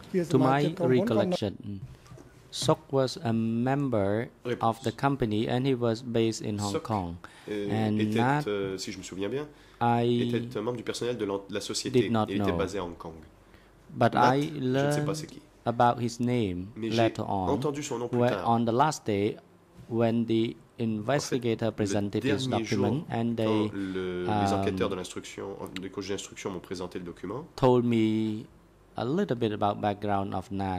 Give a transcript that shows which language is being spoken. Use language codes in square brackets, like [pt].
[en] To my recollection, Sok was a member of the company and he was based in Hong Kong. And [fr] Nat, si je me souviens bien, était membre du personnel de la société et était basé à Hong Kong. [en] But I learned about his name later on. [fr] Entendu son nom plus tard. [en] On the last day, when the investigator presented his document and they [fr] d'instruction m'ont présenté le document, [en] told me a little bit about background of Nat.